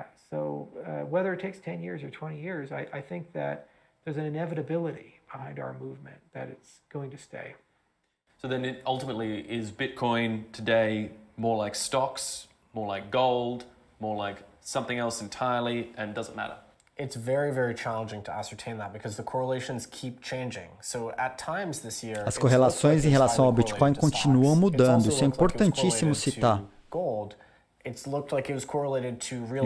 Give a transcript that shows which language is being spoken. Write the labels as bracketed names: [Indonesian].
[English] So, whether it takes 10 years or 20 years, I think that there's an inevitability behind our movement that it's going to stay. So then it ultimately is Bitcoin today more like stocks, more like gold, more like something else entirely, and doesn't matter? It's very, very challenging to ascertain that because the correlations keep changing. So at times this year, [Portuguese] as correlações em relação ao Bitcoin continuam mudando. Isso é importantíssimo citar. [English] Gold. It's looked like it was correlated to real